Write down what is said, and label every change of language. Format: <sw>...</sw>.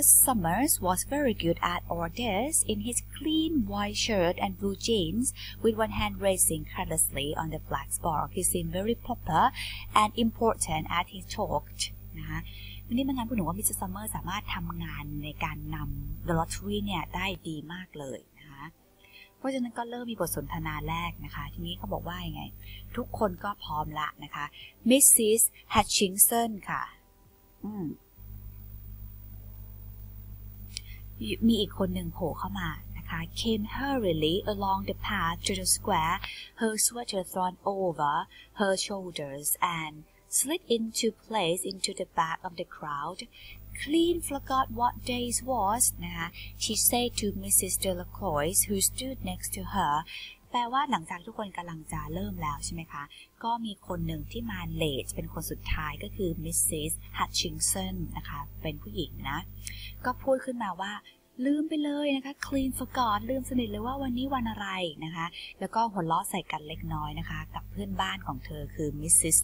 <en>Summers was very good at all this in his clean white shirt and blue jeans with one hand raising carelessly on the black bar. He seemed very proper and important as he talked.</en> <th>นะคะ นี่มันงานพูดหนูว่า Mr. Summers สามารถทำงานในการนำ The Lottery เนี่ยได้ดีมากเลยเพราะฉะนั้นก็เริ่มมีบทสนทนาแรกนะคะทีนี้เขาบอกว่ายังไงทุกคนก็พร้อมละนะคะ Mrs.</th> <en>Hutchinson</en> <th>ค่ะมีอีกคนหนึ่งโผล่เข้ามานะคะ</th> <en>came hurriedly along the path to the square her sweater thrown over her shoulders and slid into place into the back of the crowd, clean forgot what day it was, นะคะ she said to Mrs. Delacroix, who stood next to her,</en> <th>แปลว่าหลังจากทุกคนกำลังจะเริ่มแล้วใช่ไหมคะก็มีคนหนึ่งที่มาเลทเป็นคนสุดท้ายก็คือ Mrs. Hutchinson นะคะเป็นผู้หญิงนะก็พูดขึ้นมาว่าลืมไปเลยนะคะ clean forgot ลืมสนิทเลยว่าวันนี้วันอะไรนะคะแล้วก็หัวเราะใส่กันเล็กน้อยนะคะกับเพื่อนบ้านของเธอคือ Mrs.</th>